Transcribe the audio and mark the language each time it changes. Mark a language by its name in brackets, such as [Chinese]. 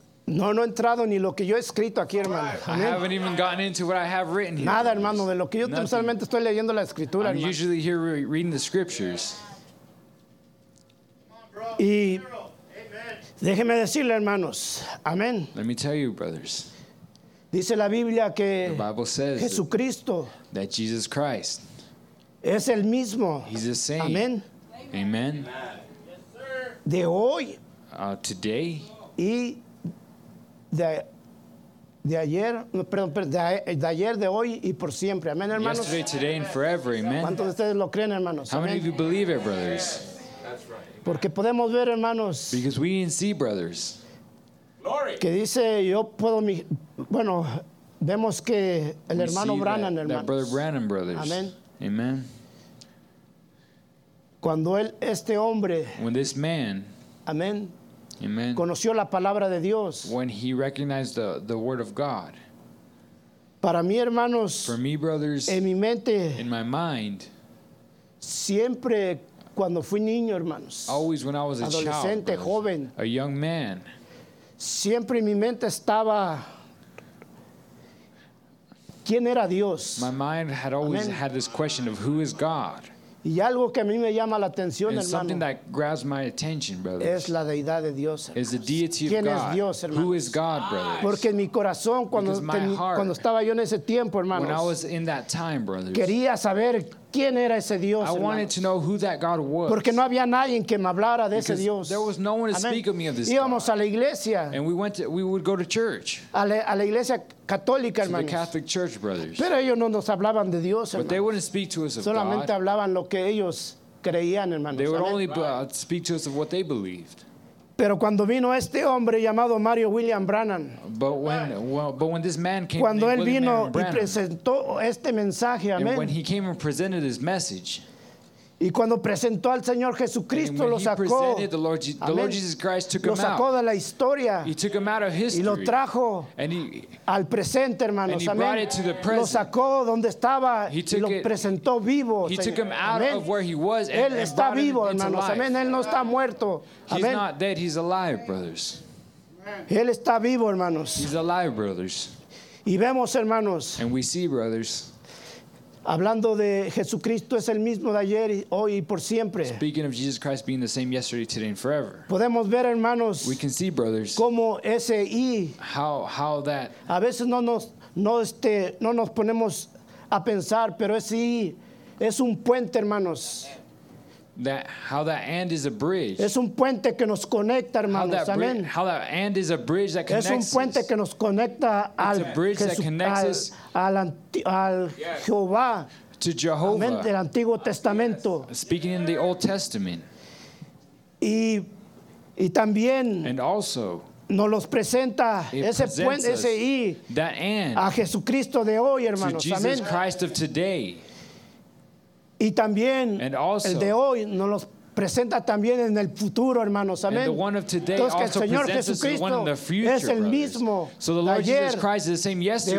[Spanish] No, no he entrado ni lo que yo he escrito aquí, hermano. [English] I haven't even gotten into what I have written here. [Spanish] Nada, hermano, de lo que yo personalmente estoy leyendo la escritura, hermano. [English] I'm usually here reading the scriptures. [Spanish] Y déjeme decirle, hermanos. Amén. [English] Let me tell you, brothers. [Spanish] Dice la Biblia que [English] the Bible says [Spanish] Jesucristo [English] that Jesus Christ [Spanish] es el mismo. [English] He's the same. [Spanish] Amén. [English] Amen. Amen. [Spanish] De hoy. [English] Today. [Spanish] Y de ayer, perdón, de ayer, de hoy y por siempre. Amén, hermanos. [English] Yesterday, today, and forever. Amen. [Spanish] ¿Cuántos de ustedes lo creen, hermanos? [English] How many of you believe it, brothers? [Spanish] Porque podemos ver, hermanos. [English] Because we can see, brothers. [Spanish] Que dice, yo puedo, bueno, vemos que el hermano Branham, hermanos. [English] That brother Branham, brothers. [Spanish] Amén. [English] Amen. [Spanish] Cuando él, este hombre. [English] When this man. [Spanish] Amén. [English] Amen. [Spanish] Conoció la palabra de Dios. [English] When he recognized the word of God. [Spanish] Para mí, hermanos. [English] For me, brothers. [Spanish] En mi mente. [English] In my mind. [Spanish] Siempre cuando fui niño, hermanos. [English] Always when I was a child. [Spanish] Adolescente, joven. [English] A young man. [Spanish] Siempre en mi mente estaba. ¿Quién era Dios? [English] My mind had always Amen. Had this question of who is God. [Spanish] Y algo que a mí me llama la atención, hermano. [English] And something that grabs my attention, brothers. [Spanish] Es la deidad de Dios, hermanos. [English] Is the deity of God. [Spanish] ¿Quién es Dios, hermanos? [English] Who is God, brothers? [Spanish] Porque en mi corazón, cuando estaba yo en ese tiempo, hermanos. [English] When I was in that time, brothers. [Spanish] Quería saber quién era ese Dios, [English] hermanos. I wanted to know who that God was. [Spanish] Porque no había nadie que me hablara de ese Dios. [English] There was no one to speak of me of this God. [Spanish] Íbamos a la iglesia. [English] And we would go to church. [Spanish] A la iglesia católica, hermanos. [English] To the Catholic Church, brothers. [Spanish] Pero ellos no nos hablaban de Dios, hermanos. [English] But they wouldn't speak to us of God. [Spanish] Solamente hablaban lo que ellos creían, hermanos. [English] They would only speak to us of what they believed. [Spanish] Pero cuando vino este hombre llamado Mario William Branham. [English] But when, when this man came, [Spanish] cuando él vino y presentó este mensaje, amén. [English] When he came and presented his message. [Spanish] Y cuando presentó al Señor Jesucristo, lo sacó. [English] The Lord, the Lord Jesus Christ took him out. [Spanish] Lo sacó de la historia. [English] He took him out of history. [Spanish] Y lo trajo al presente, hermanos. Amén. Lo sacó donde estaba y lo presentó vivo. [English] He took him out of where he was and [Spanish] Él está vivo, hermanos. Amén. Él no está muerto. [English] He's not dead, he's alive, brothers. [Spanish] Él está vivo, hermanos. [English] He's alive, brothers. [Spanish] Y vemos, hermanos. [English] And we see, brothers. [Spanish] Hablando de Jesucristo es el mismo de ayer, hoy y por siempre. [English] Speaking of Jesus Christ being the same yesterday, today, and forever. [Spanish] Podemos ver, hermanos. [English] We can see, brothers. [Spanish] Cómo ese y. [English] How that. [Spanish] A veces no nos ponemos a pensar, pero ese y es un puente, hermanos. [English] That how that and is a bridge. [Spanish] Es un puente que nos conecta, hermanos. Amén. [English] How that and is a bridge that connects. [Spanish] Es un puente que nos conecta al. [English] It's a bridge that connects us. [Spanish] Al Jehová. [English] To Jehovah. [Spanish] Amén. Del Antiguo Testamento. [English] Speaking in the Old Testament. [Spanish] Y también. [English] And also. [Spanish] Nos los presenta ese puente, ese y. [English] That and. [Spanish] A Jesucristo de hoy, hermanos. [English] To Jesus Christ of today. [Spanish] Y también [English] and also, [Spanish] el de hoy nos los presenta también en el futuro, hermanos. Amén. [English] And the one of today also presents us the one in the future, [Spanish] es el mismo. [English] So the Lord Jesus Christ is the same yesterday,